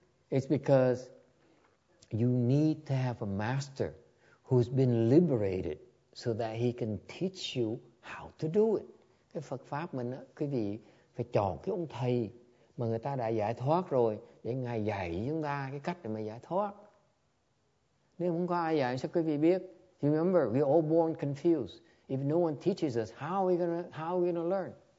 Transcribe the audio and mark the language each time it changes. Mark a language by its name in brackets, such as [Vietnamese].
[English] It's because you need to have a master who's been liberated so that he can teach you how to do it. [Vietnamese] Cái Phật pháp mình á, quý vị phải chọn cái ông thầy mà người ta đã giải thoát rồi để ngài dạy chúng ta cái cách để mà giải thoát. Nếu không có ai dạy, sao quý vị biết? [English] You remember, we're all born confused. If no one teaches us, how are we gonna learn?